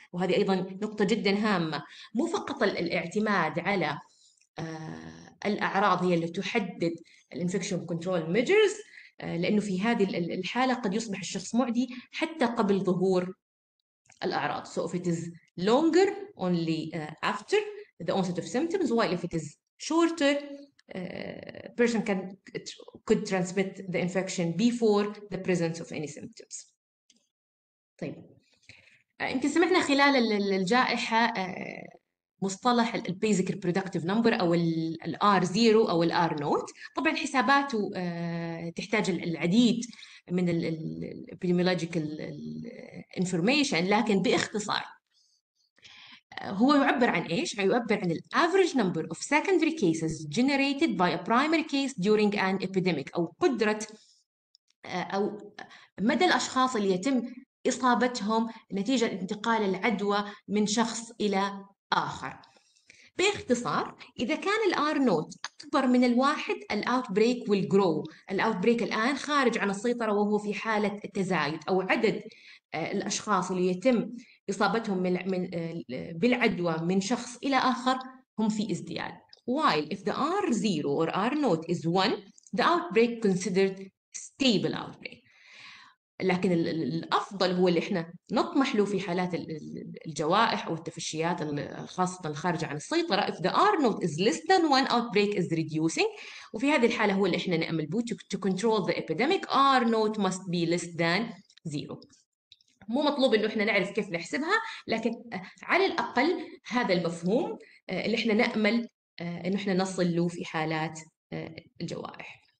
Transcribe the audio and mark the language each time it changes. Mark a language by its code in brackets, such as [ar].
[ar] وهذه أيضا نقطة جدا هامة، مو فقط الاعتماد على الأعراض هي اللي تحدد الانفكشن كنترول ميجرز، لأنه في هذه الحالة قد يصبح الشخص معدي حتى قبل ظهور الأعراض. [en] so if it is longer only after the onset of symptoms while if it is shorter person can could transmit the infection before the presence of any symptoms. [ar] طيب يمكن سمعنا خلال الجائحة مصطلح الـ basic reproductive number أو الـ R0 أو الـ R0. طبعاً حساباته تحتاج العديد من الـ epidemiological information، لكن باختصار هو يعبر عن إيش؟ يعبر عن الـ [en] average number of secondary cases generated by a primary case during an epidemic، [ar] أو قدرة أو مدى الأشخاص اللي يتم إصابتهم نتيجة انتقال العدوى من شخص إلى آخر. باختصار، إذا كان الـ R note أكبر من الواحد، الـ [en] outbreak will grow. [ar] الـ outbreak الآن خارج عن السيطرة وهو في حالة التزايد، أو عدد الأشخاص اللي يتم إصابتهم بالعدوى من شخص إلى آخر هم في ازدياد. [en] While if the R0 or R note is 1, the outbreak considered stable outbreak. [ar] لكن الأفضل هو اللي إحنا نطمح له في حالات الجوائح أو التفشيات الخاصة الخارجة عن السيطرة. [en] If the R note is less than 1, outbreak is reducing. [ar] وفي هذه الحالة هو اللي إحنا نأمل به [en] to control the epidemic. R note must be less than 0. [ar] مو مطلوب إنه إحنا نعرف كيف نحسبها، لكن على الأقل هذا المفهوم اللي إحنا نأمل إنه إحنا نصل له في حالات الجوائح.